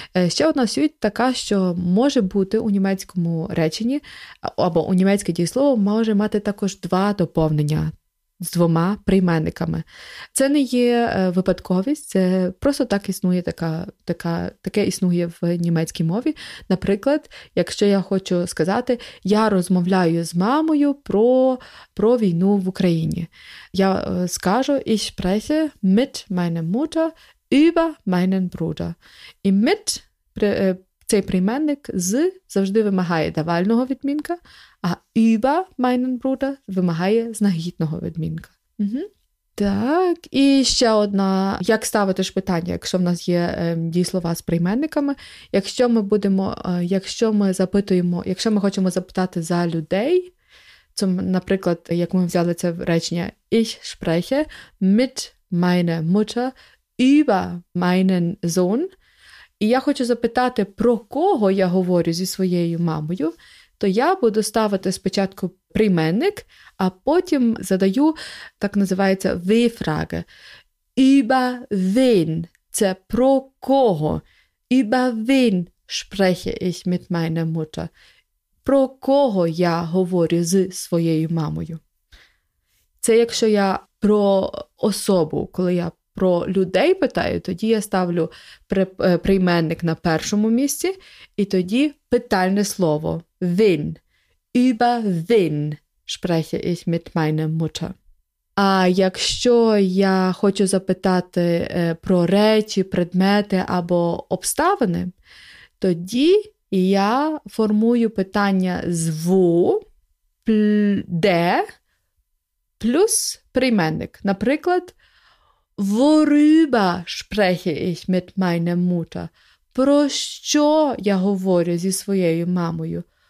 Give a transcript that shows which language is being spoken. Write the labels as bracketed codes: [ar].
[uk] Ще одна суть така, що може бути у німецькому реченні, або у німецьке дієслово може мати також два доповнення з двома прийменниками. Це не є випадковість, це просто так існує, таке існує в німецькій мові. Наприклад, якщо я хочу сказати, я розмовляю з мамою про війну в Україні. Я скажу, [de] ich spreche mit meiner Mutter über meinen Bruder. [uk] І mit, цей прийменник, з завжди вимагає давального відмінка, а [de] über meinen Bruder [uk] вимагає знахідного відмінка. Угу. Так, і ще одна, як ставити ж питання, якщо в нас є дієслова з прийменниками. Якщо ми хочемо запитати за людей, це, наприклад, як ми взяли це речення [de] «Ich spreche mit meiner Mutter über meinen Sohn», [uk] і я хочу запитати, про кого я говорю зі своєю мамою, то я буду ставити спочатку прийменник, а потім задаю, так називається, W-фраги. [de] Über wen? [uk] Це про кого? [de] Über wen spreche ich mit meiner Mutter? [uk] Про кого я говорю зі своєю мамою? Це якщо я про особу, коли я про людей питаю, тоді я ставлю прийменник на першому місці, і тоді питальне слово «Wen». [de] «Über wen spreche ich mit meiner Mutter?» [uk] А якщо я хочу запитати про речі, предмети або обставини, тоді я формую питання з «wo», «де» плюс прийменник. Наприклад, [de] «Worüber spreche ich mit meiner Mutter?» [uk] «Про що я говорю зі своєю мамою?»